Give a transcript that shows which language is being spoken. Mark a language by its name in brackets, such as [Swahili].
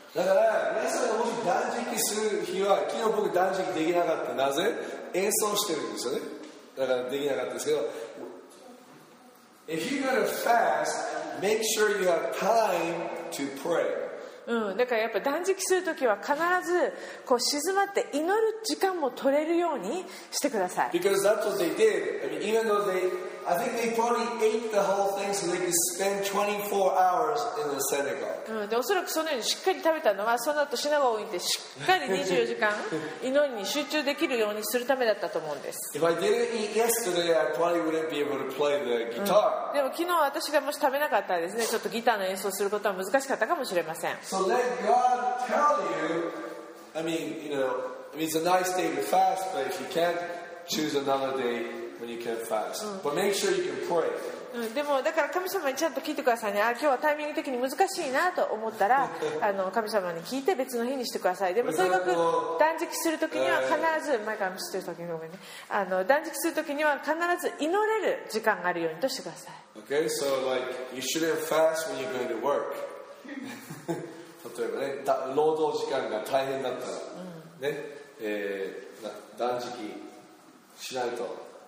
[Japanese] だから皆さんがもし断食する日は、昨日僕断食できなかった、なぜ演奏してるんですよね、だからできなかったですけど、 [English] If you're gonna fast, make sure you have time to pray。 [Japanese] うん、だからやっぱ断食するときは必ずこう静まって祈る時間も取れるようにしてください。 [English] Because that's what they did. I mean, even though they, I think they probably ate the whole thing so they could spend 24 hours in the synagogue. [Japanese] うん、で、おそらくそのようにしっかり食べたのは、その後シナゴーグに行ってしっかり24時間祈りに集中できるようにするためだったと思うんです。 [English] If I didn't eat yesterday, I probably wouldn't be able to play the guitar. [Japanese] でも昨日私がもし食べなかったらですね、ちょっとギターの演奏することは難しかったかもしれません。 [English] So let God tell you, I mean, you know, it's a nice day to fast, but if you can't choose another day when you can fast. But make sure you can pray. [Japanese] でもだから神様にちゃんと聞いてくださいね。あ、今日はタイミング的に難しいなと思ったら、あの神様に聞いて別の日にしてください。でもとにかく断食するときには必ず、前から知ってるときにごめんね。あの断食するときには必ず祈れる時間があるようにとしてください。 [English] Okay, so like you shouldn't fast when you're going to work. [Japanese] 例えばね、労働時間が大変だったら、ね、断食しないと。